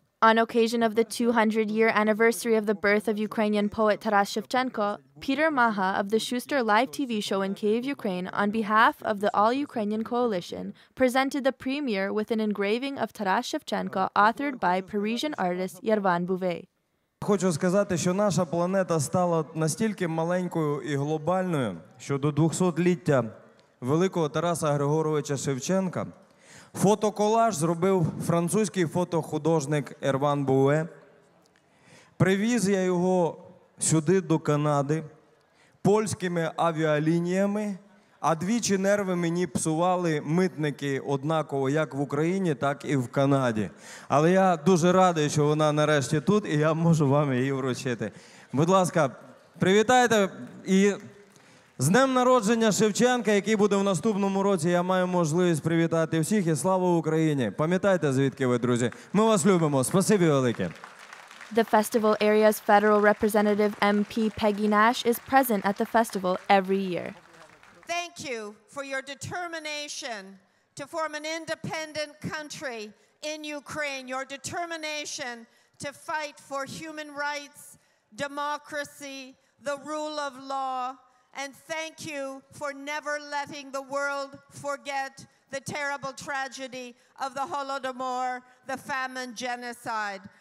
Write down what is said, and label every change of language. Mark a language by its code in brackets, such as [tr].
[en] On occasion of the 200-year anniversary of the birth of Ukrainian poet Taras Shevchenko, Peter Maha of the Schuster live TV show in Kyiv, Ukraine, on behalf of the All-Ukrainian Coalition, presented the premier with an engraving of Taras Shevchenko authored by Parisian artist Yervan Bouvet. [uk] I хочу сказати, що наша планета стала настільки маленькою і глобальною, що до 200-ліття великого Тараса Григоровича Шевченка фотоколаж зробив французький фотохудожник Ервен Буве. Привіз я його сюди, до Канади, польськими авіалініями, А двічі нерви мені псували митники однаково, як в Україні, так і в Канаді. Але я дуже радий, що вона нарешті тут, і я можу вам її вручити. Будь ласка, привітайте і з днем народження Шевченка, який буде в наступному році, я маю можливість привітати всіх, і слава Україні. Пам'ятайте, звідки ви, друзі. Ми вас любимо. Спасибі велике. [en] The festival area's federal representative MP Peggy Nash is present at the festival every year. Thank you for your determination to form an independent country in Ukraine, your determination to fight for human rights, democracy, the rule of law, and thank you for never letting the world forget the terrible tragedy of the Holodomor, the famine, genocide.